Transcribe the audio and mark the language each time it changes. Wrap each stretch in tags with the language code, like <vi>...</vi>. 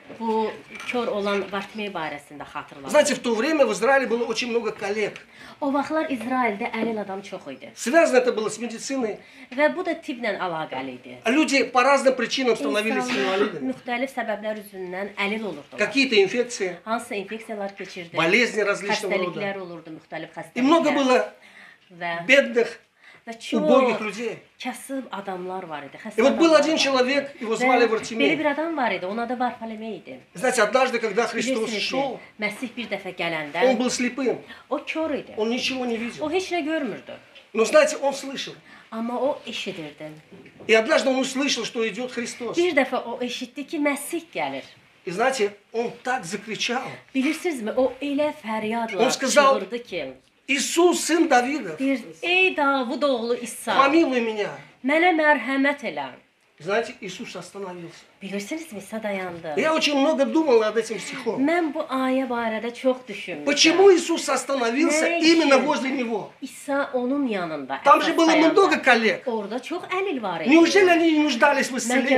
<az>Bu kör olan Vartimey barəsində xatırladım.</az> <ru>Знаете, в то время в Израиле было очень много коллег.</ru> <az>O vaxtlar İsraildə əlil adam çox idi.</az> <ru>Связано это было с медициной.</ru> <az>Və bu da tibblə əlaqəli idi.</az> <ru>Люди по разным причинам становились инвалидами.</ru> <az>Müxtəlif səbəblər üzündən əlil olurdular.</az> <ru>Какие-то инфекции.</ru> <az>Hansısa infeksiyalar keçirdi.</az> <ru>Болезни различного рода.</ru> <az>Xəstəliklər olurdu müxtəlif xəstəliklər.</az> <ru>И много было бедных, убогих людей.</ru> <az>Kasıb adamlar var idi.</az> <ru>И вот был один человек, его звали Вартимей.</ru> <az>Belə bir adam var idi, ona da Варфолемей idi.</az> <ru>Знаете, однажды, когда Христос шел,</ru> <az>Мәсих bir dəfə gələndə,</az> <ru>он был слепым.</ru> <az>O kör idi.</az> <ru>Он ничего не видел.</ru> <az>O heç nə görmürdü.</az> <ru>Но знаете, он слышал.</ru> <az>Ama o eşidirdi.</az> <ru>И однажды он услышал, что идет Христос.</ru> <az>Bir dəfə o eşitdi ki, Мәсих gəlir.</az> <ru>И знаете, он так закричал.</ru> <az>Bilirsinizmi, o elə fəryadla çığırdı ki,</az> <ru>Иисус, сын Давидов.</ru> <az>Bir, ey Davud oğlu İsa.</az> <ru>Помилуй меня.</ru> <az>Mənə mərhəmət elə.</az> <ru>Знаете, Иисус остановился.</ru> <az>Bilirsiniz, İsa dayandı.</az> <ru>Я очень много думал над этим стихом.</ru> <az>Mən bu ayə barədə çox düşündüm.</az> <ru>Почему Иисус остановился именно возле него?</ru> <az>İsa onun yanında.</az> <ru>Там же было много коллег.</ru> <az>Orada çox əlil var idi.</az> <ru>Неужели они не нуждались в исцелении?</ru>